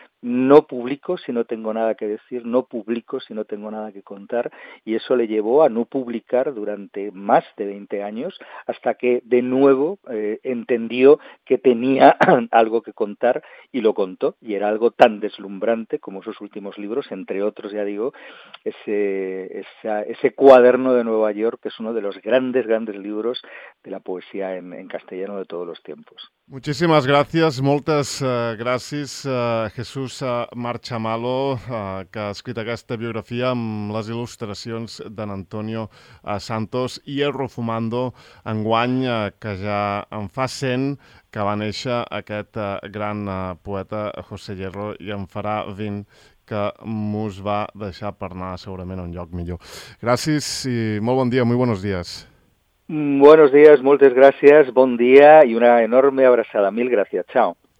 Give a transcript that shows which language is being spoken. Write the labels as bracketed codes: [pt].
[es] No publico si no tengo nada que decir, no publico si no tengo nada que contar, y eso le llevó a no publicar durante más de 20 años, hasta que de nuevo entendió que tenía algo que contar y lo contó, y era algo tan deslumbrante como sus últimos libros, entre otros, ya digo, ese cuaderno de Nueva York, que es uno de los grandes, grandes libros de la poesía en castellano de todos los tiempos. Muchísimas gracias, [ca] moltes gràcies, Jesús Marchamalo, que ha escrit aquesta biografia amb les il·lustracions d'en Antonio Santos, i Hierro Fumando, enguany, que ja en fa 100 que va néixer aquest gran poeta, José Hierro, i en farà 20 que mos va deixar per anar segurament a un lloc millor. Gràcies i molt bon dia, [es] muy buenos días. Buenos días, muchas gracias, buen día y una enorme abrazada. Mil gracias, chao.